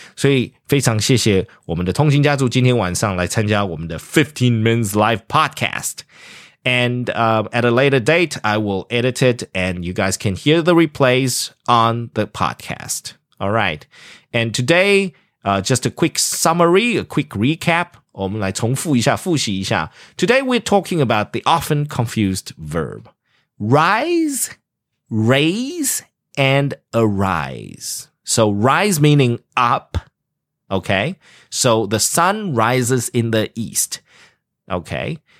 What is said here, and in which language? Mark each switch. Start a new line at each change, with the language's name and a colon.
Chinese: 所以非常谢谢我们的通勤家族今天晚上来参加我们的15 Minutes Live Podcast.
English: And at a later date, I will edit it and you guys can hear the replays on the podcast. All right. And today, Just a quick summary, a quick recap.
Chinese: 我们来重复一下，复习一下。
English: Today we're talking about the often confused verb. Rise, raise, and arise. So rise meaning up, okay? So the sun rises in the east, okay?